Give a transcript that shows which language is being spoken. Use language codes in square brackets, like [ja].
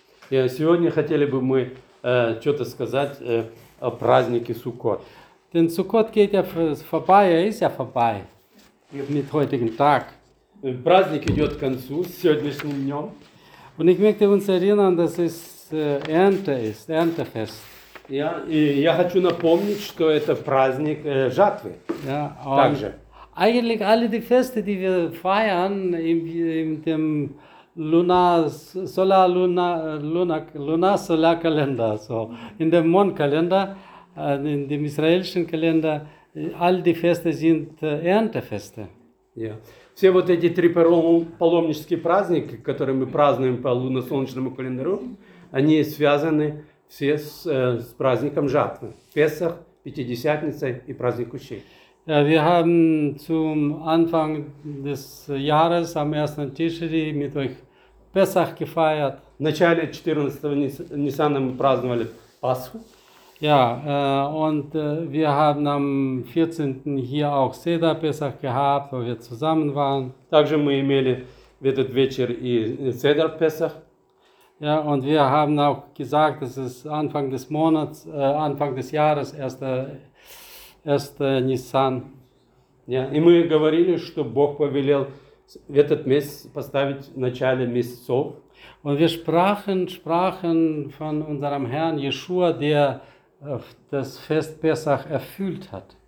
[de] Ja, [ru] сегодня хотели бы мы что-то сказать о празднике Суккот. [de] Denn Sukkot geht ja vorbei, er ist ja vorbei. Mit heutigen Tag. [ru] Праздник идёт к концу с сегодняшним днём. [de] Und ich möchte uns erinnern, dass es Ernte ist, Erntefest. Ja, [ru] я хочу напомнить, что это праздник жатвы. [de] Ja, [ru] также. [de] Eigentlich alle die Feste, die wir feiern in dem Lunar Solar Kalender, so in dem Mondkalender, in dem israelischen Kalender, all die Feste sind Erntefeste. Ja. [ru] Все вот эти три паломнические праздники, которые мы празднуем по лунно-солнечному календарю, они связаны все с праздником жатвы, Песах, Пятидесятницей и праздник Кущей. [de] Ja, wir haben zum Anfang des Jahres am 1. Tischri mit euch Pesach gefeiert. [ru] В начале 14-го Нисана мы праздновали Пасху. [de] Ja, und wir haben am 14. hier auch Seder Pesach gehabt, wo wir zusammen waren. [ru] Также мы имели в этот вечер и Седер Песах. [de] Ja, und wir haben auch gesagt, dass es Anfang des Monats, Anfang des Jahres, erster Nissan. Ja, [ru] и мы говорили, что Бог повелел в этот месяц поставить в начале месяцев. [de] Und wir sprachen von unserem Herrn Yeshua, der das Fest Pesach erfüllt hat.